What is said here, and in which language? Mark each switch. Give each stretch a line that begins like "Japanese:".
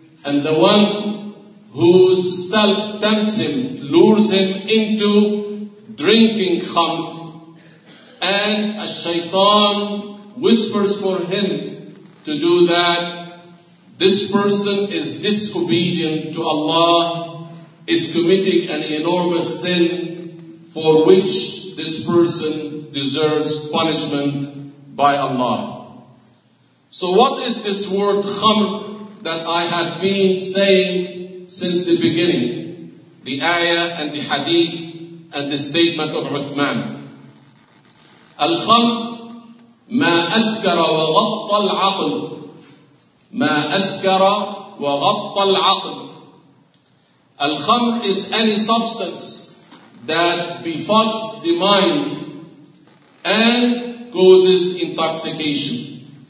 English: And the one whose self tempts him, lures him into drinking khamr, and a shaitan whispers for him to do that, this person is disobedient to Allah, is committing an enormous sin for which this person deserves punishment by Allah. So what is this word khamr that I have been saying since the beginning? The ayah and the hadith and the statement of Uthman.
Arabic: Al-khamr ما أسكر وغطى العقل ما أسكر وغطى العقل.
English: الخمر is any substance that befuddles the mind and causes intoxication.